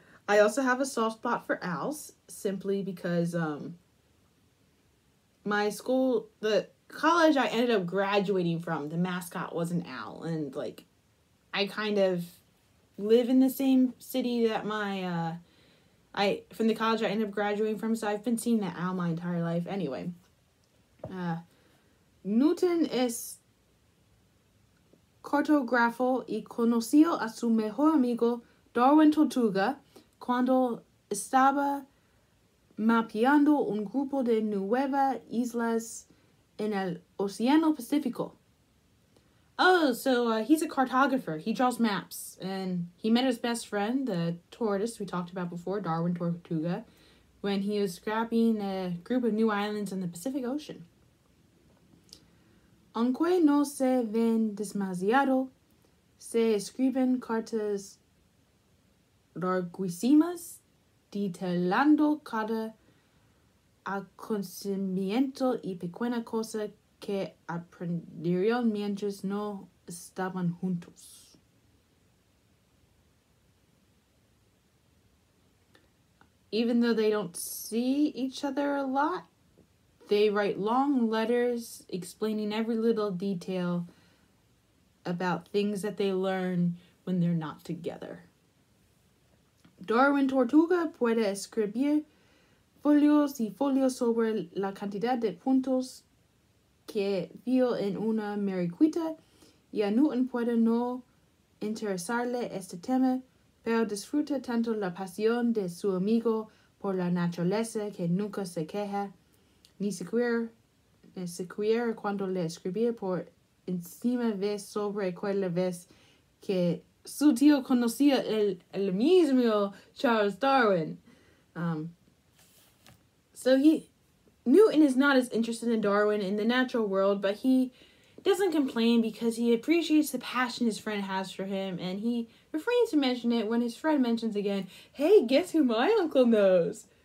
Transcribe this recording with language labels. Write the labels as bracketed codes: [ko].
[en] I also have a soft spot for owls, simply because, my school, the college I ended up graduating from, the mascot was an owl, and, like, I kind of live in the same city that from the college I ended up graduating from, so I've been seeing the owl my entire life. Anyway, [es] Newton es cartógrafo y conoció a su mejor amigo Darwin Tortuga cuando estaba mapeando un grupo de nueve islas en el Océano Pacífico. [en] Oh, so he's a cartographer. He draws maps. And he met his best friend, the tortoise we talked about before, Darwin Tortuga, when he was scrapping a group of new islands in the Pacific Ocean. [es] Aunque no se ven demasiado, se escriben cartas larguísimas, detallando cada acontecimiento y pequeña cosa que aprendieron mientras no estaban juntos. [en] Even though they don't see each other a lot, they write long letters explaining every little detail about things that they learn when they're not together. [es] Darwin Tortuga puede escribir folios y folios sobre la cantidad de puntos que vio en una mariquita, y a Newton puede no interesarle este tema, pero disfruta tanto la pasión de su amigo por la naturaleza que nunca se queja, ni siquiera cuando le escribía por encima vez sobre aquella vez que su tío conocía el mismo Charles Darwin. [en] Newton is not as interested in Darwin in the natural world, but he doesn't complain because he appreciates the passion his friend has for him, and he refrains to mention it when his friend mentions again, hey, guess who my uncle knows?